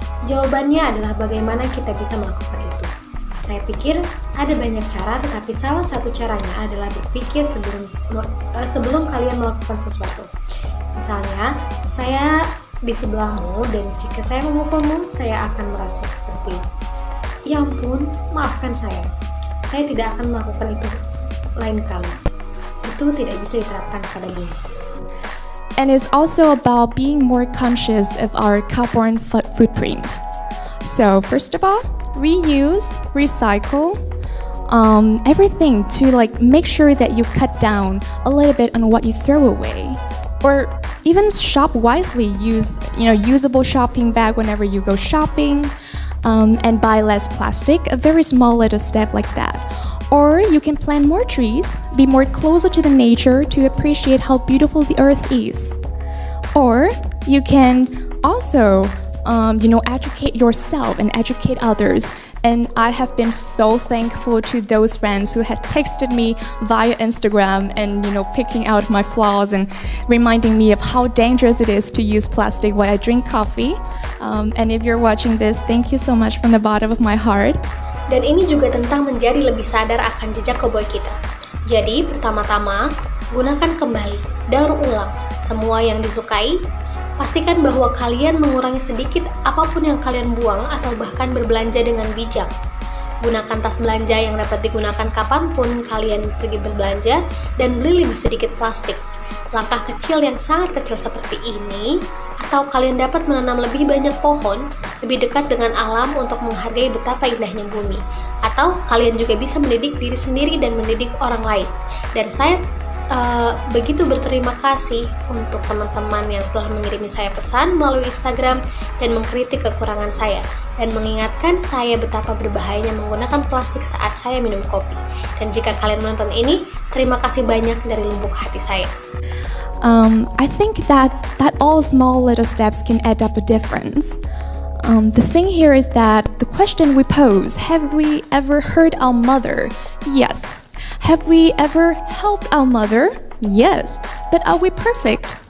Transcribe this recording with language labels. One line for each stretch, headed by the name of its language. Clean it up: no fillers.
Indonesian: Jawabannya adalah bagaimana kita bisa melakukan itu. Saya pikir ada banyak cara, tetapi salah satu caranya adalah berpikir sebelum kalian melakukan sesuatu. Misalnya, saya di sebelahmu, dan jika saya memukulmu, saya akan merasa seperti, ya ampun, maafkan saya tidak akan melakukan itu lain kali. Itu tidak bisa diterapkan pada bumi.
English: And it's also about being more conscious of our carbon footprint. So first of all, reuse, recycle, everything to like make sure that you cut down a little bit on what you throw away, or even shop wisely. Use, you know, usable shopping bag whenever you go shopping, and buy less plastic, a very small little step like that. Or you can plant more trees, be more closer to the nature to appreciate how beautiful the earth is. Or you can also, you know, educate yourself and educate others. And I have been so thankful to those friends who had texted me via Instagram and, you know, picking out my flaws and reminding me of how dangerous it is to use plastic while I drink coffee. And if you're watching this, thank you so much from the bottom of my heart.
Indonesian: Dan ini juga tentang menjadi lebih sadar akan jejak koboi kita. Jadi, pertama-tama, gunakan kembali, daur ulang, semua yang disukai. Pastikan bahwa kalian mengurangi sedikit apapun yang kalian buang atau bahkan berbelanja dengan bijak. Gunakan tas belanja yang dapat digunakan kapanpun kalian pergi berbelanja dan beli lebih sedikit plastik. Langkah kecil yang sangat kecil seperti ini, atau kalian dapat menanam lebih banyak pohon lebih dekat dengan alam untuk menghargai betapa indahnya bumi. Atau kalian juga bisa mendidik diri sendiri dan mendidik orang lain. Dan saya begitu berterima kasih untuk teman-teman yang telah mengirimi saya pesan melalui Instagram dan mengkritik kekurangan saya dan mengingatkan saya betapa berbahayanya menggunakan plastik saat saya minum kopi. Dan jika kalian menonton ini, terima kasih banyak dari lubuk hati saya.
English: I think that all small little steps can add up a difference. The thing here is that the question we pose, have we ever hurt our mother? Yes. Have we ever helped our mother? Yes. But are we perfect?